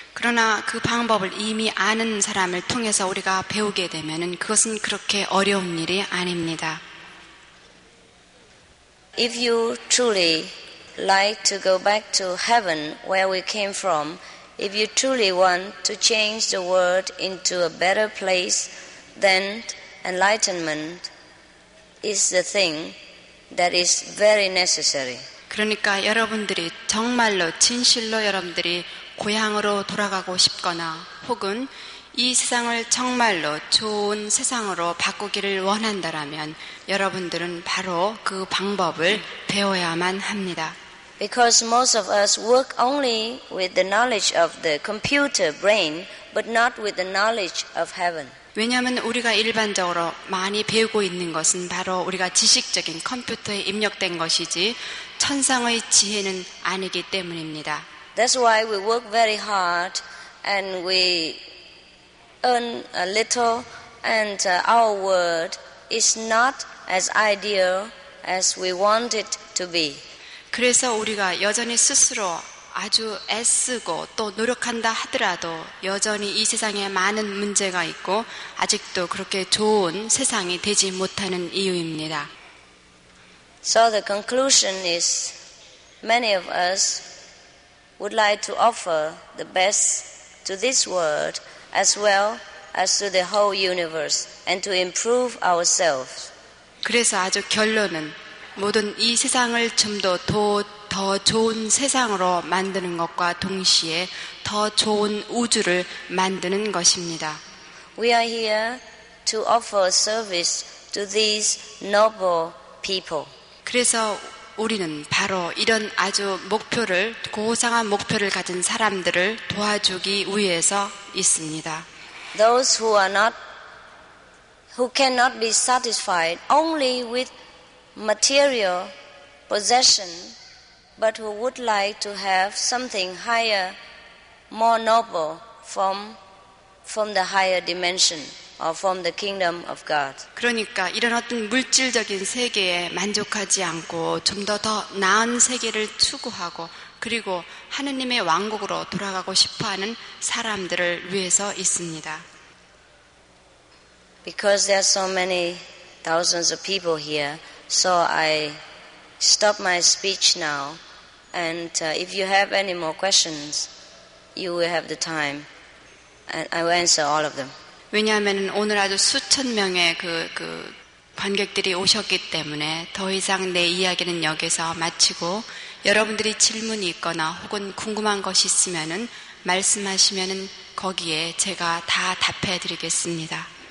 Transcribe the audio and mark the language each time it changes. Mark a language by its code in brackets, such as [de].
[ko] 그러나 그 방법을 이미 아는 사람을 통해서 우리가 배우게 되면은 그것은 그렇게 어려운 일이 아닙니다. [en] If you truly like to go back to heaven where we came from, if you truly want to change the world into a better place, then enlightenment is the thing that is very necessary. [ko] 그러니까 여러분들이 정말로 진실로 여러분들이 고향으로 돌아가고 싶거나 혹은 이 세상을 정말로 좋은 세상으로 바꾸기를 원한다라면 여러분들은 바로 그 방법을 배워야만 합니다. [en] Because most of us work only with the knowledge of the computer brain but not with the knowledge of heaven. [ko] 왜냐하면 우리가 일반적으로 많이 배우고 있는 것은 바로 우리가 지식적인 컴퓨터에 입력된 것이지 천상의 지혜는 아니기 때문입니다. [en] That's why we work very hard and we earn a little and our world is not as ideal as we want it to be. [ko] 그래서 우리가 여전히 스스로 아주 애쓰고 또 노력한다 하더라도 여전히 이 세상에 많은 문제가 있고 아직도 그렇게 좋은 세상이 되지 못하는 이유입니다. [en] So the conclusion is many of us would like to offer the best to this world as well as to the whole universe and to improve ourselves. [ko] 그래서 아주 결론은 모든 이 세상을 좀 더 좋은 세상으로 만드는 것과 동시에 더 좋은 우주를 만드는 것입니다. [en] We are here to offer service to these noble people. [ko] 그래서 우리는 바로 이런 아주 목표를 고상한 목표를 가진 사람들을 도와주기 위해서 있습니다. [en] Those who are not who cannot be satisfied only with material possession but who would like to have something higher, more noble from the higher dimension or from the kingdom of God. [ko] 그러니까 이런 어떤 물질적인 세계에 만족하지 않고 좀 더 나은 세계를 추구하고 그리고 하느님의 왕국으로 돌아가고 싶어하는 사람들을 위해서 있습니다. [en] Because there are so many thousands of people here, so I stop my speech now. And if you have any more questions, you will have the time, and I will answer all of them. [ko] 왜냐하면 오늘 아주 수천 명의 그 관객들이 오셨기 때문에 더 이상 내 이야기는 여기서 마치고 여러분들이 질문이 있거나 혹은 궁금한 것이 있으면은 말씀하시면은 거기에 제가 다 답해 드리겠습니다.